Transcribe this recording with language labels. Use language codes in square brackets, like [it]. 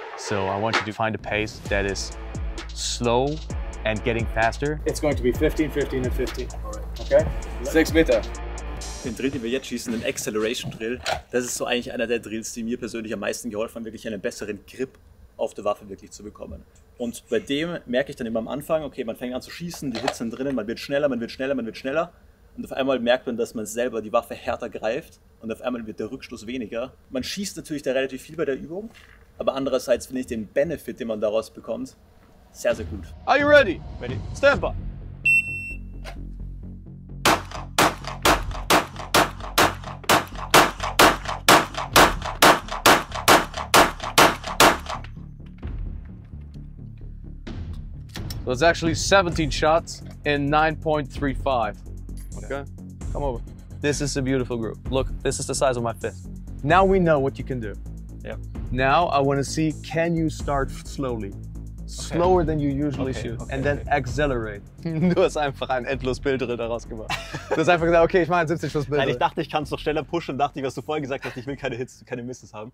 [en] So I want you to find a pace that is slow and getting faster. It's going to be 15, 15, and 15. Okay? 6 meter. [de] den Drill, den wir jetzt schießen, den Acceleration Drill, das ist so eigentlich einer der Drills, die mir persönlich am meisten geholfen haben, wirklich einen besseren Grip auf der Waffe wirklich zu bekommen. Und bei dem merke ich dann immer am Anfang, okay, man fängt an zu schießen, die Hitze sind drinnen, man wird schneller, man wird schneller, man wird schneller. Und auf einmal merkt man, dass man selber die Waffe härter greift und auf einmal wird der Rückstoß weniger. Man schießt natürlich da relativ viel bei der Übung, aber andererseits finde ich den Benefit, den man daraus bekommt, sehr, sehr gut. [en] Are you ready? Ready. Stand by. So it's actually 17 shots in 9.35. Okay. Come over. This is a beautiful group. Look, this is the size of my fist. Now we know what you can do. Yep. Now I want to see, can you start slowly? Slower okay. than you usually okay. shoot. Okay. And then accelerate. [de] Du hast einfach ein endlos Bilddrill daraus gemacht. Du hast einfach gesagt, okay, ich mache ein 70 Schuss Bilddrill. Nein, ich dachte, ich kann es noch schneller pushen und dachte, was du vorher gesagt hast, ich will keine Hits, keine Misses haben.